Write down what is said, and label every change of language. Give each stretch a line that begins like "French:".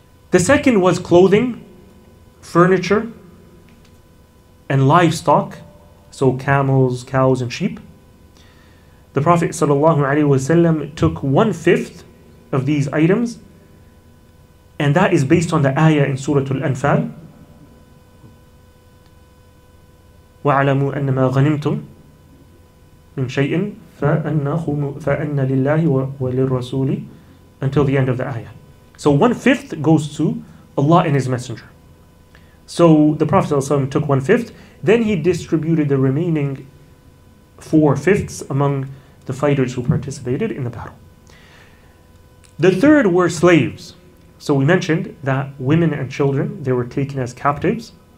English: The second was clothing, furniture, and livestock. So camels, cows, and sheep. The Prophet ﷺ took 1/5 of these items, and that is based on the ayah in Surah Al-Anfal.
Arabic: وَعَلَمُوا أَنَّمَا غَنِمْتُمْ مِنْ شَيْءٍ فَأَنَّ لِلَّهِ وَلِلرَّسُولِ
English: until the end of the ayah. So 1/5 goes to Allah and His Messenger. So the Prophet ﷺ took 1/5. Then he distributed the remaining 4/5 among the fighters who participated in the battle. The third were slaves. So we mentioned that women and children, they were taken as captives.